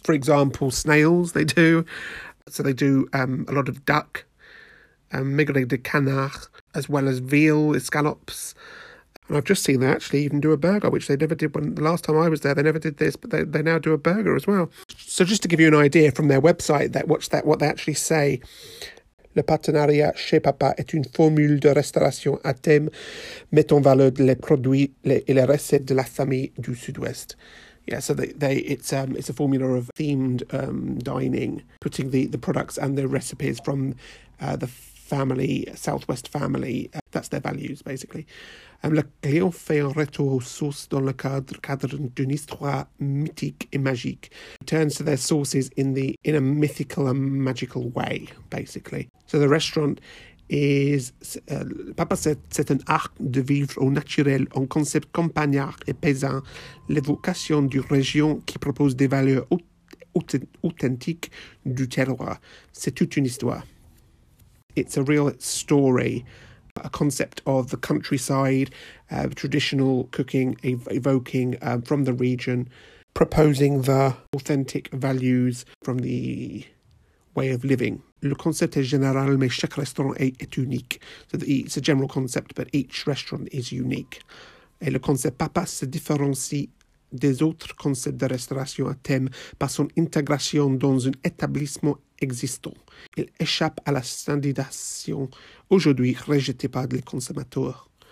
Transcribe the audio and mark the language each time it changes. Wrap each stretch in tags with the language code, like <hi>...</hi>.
<en>For example, snails they do. So they do a lot of duck, migré de canard, as well as veal, escalops. And I've just seen they actually even do a burger, which they never did when the last time I was there. They never did this, but they now do a burger as well. So just to give you an idea from their website, what they actually say.</en> <fr>Le partenariat chez Papa est une formule de restauration à thème mettant en valeur les produits et les recettes de la famille du Sud-Ouest.</fr> <en>Yeah, so it's a formula of themed dining, putting the products and the recipes from the family, Southwest family. That's their values, basically.</en> <fr>Le client fait un retour aux sources dans le cadre d'une histoire mythique et magique.</fr> <en>He turns to their sources in a mythical and magical way, basically. So the restaurant is...</en> <fr>Papa, c'est un art de vivre au naturel, un concept campagnard et paysan, l'évocation d'une région qui propose des valeurs authentiques du terroir. C'est toute une histoire.</fr> <en>It's a real story, a concept of the countryside, traditional cooking, evoking from the region, proposing the authentic values from the way of living.</en> <fr>Le concept est général, mais chaque restaurant est unique.</fr> <en>So it's a general concept, but each restaurant is unique.</en> <fr>Et le concept Papa se différencie des autres concepts de restauration à thème par son intégration dans un établissement existant. Il échappe à la standardisation aujourd'hui rejetée par les consommateurs.</fr>